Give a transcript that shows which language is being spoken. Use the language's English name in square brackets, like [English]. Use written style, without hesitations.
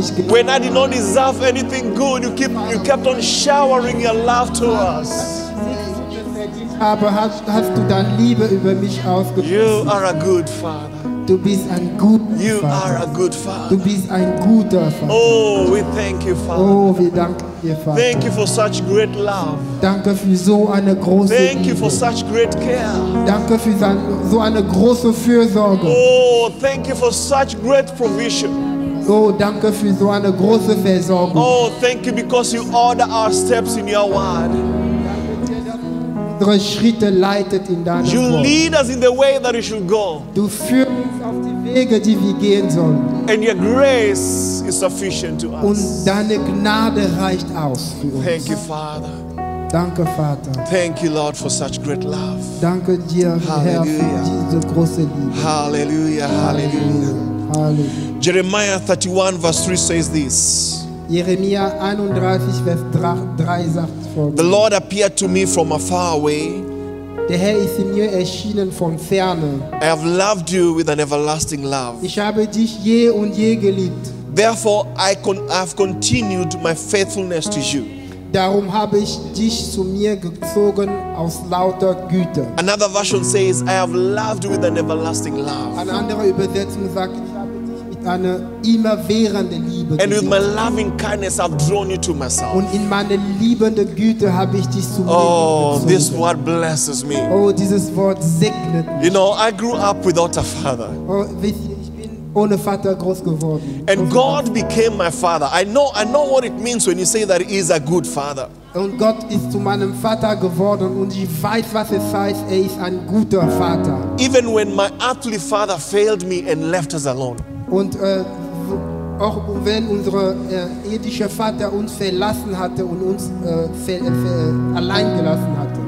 [English] When I did not deserve anything good, you kept on showering your love to us. [German] aber hast du dann Liebe über mich ausgegossen. [English] You are a good father. [German] Du bist ein guter [English] you [German] Vater. [English] Are a good father. [German] Du bist ein guter Vater. [English] Oh, we thank you, Father. [German] Oh, wir danken dir, Vater. [English] Thank you for such great love. [German] Danke für so eine große [English] thank [German] Liebe. [English] You for such great care. [German] Danke für so eine große Fürsorge. [English] Oh, thank you for such great provision. [German] Oh, danke für so eine große Versorgung. [English] Oh, thank you because you order our steps in your word. [German] Unsere Schritte leitet in deinem [English] you [German] Wort. [English] Lead us in the way that we should go. [German] Du führst uns auf die Wege, die wir gehen sollen. [English] And your grace is sufficient to us. [German] Und deine Gnade reicht aus für uns. [English] Thank you, Father. [German] Danke, Vater. [English] Thank you, Lord, for such great love. [German] Danke dir, Herr, für diese große Liebe. Hallelujah, hallelujah. Hallelujah. [English] Jeremiah 31, verse 3 says this. [German] Jeremiah 31, Vers 3 sagt folgendes. [English] The Lord appeared to me from a far away. [German] Der Herr ist mir erschienen von ferne. [English] I have loved you with an everlasting love. [German] Ich habe dich je und je geliebt. [English] Therefore, I have continued my faithfulness to you. [German] Darum habe ich dich zu mir gezogen aus lauter Güte. [English] Another version says, I have loved you with an everlasting love. [German] Eine andere Übersetzung sagt, eine immerwährende Liebe. [English] And with my loving kindness I've drawn you to myself. [German] Und in meine liebende Güte habe ich dich zu mir gezogen. [English] Oh, this word blesses me. [German] Oh, dieses Wort segnet mich. [English] You know, I grew up without a father. [German] Ohne Vater groß geworden. [English] And God became my father. I know what it means when you say that he is a good father. [German] Und Gott ist zu meinem Vater geworden und ich weiß, was es heißt, er ist ein guter Vater. [English] Even when my earthly father failed me and left us alone. [German] Und auch wenn unser irdischer Vater uns verlassen hatte und uns allein gelassen hatte.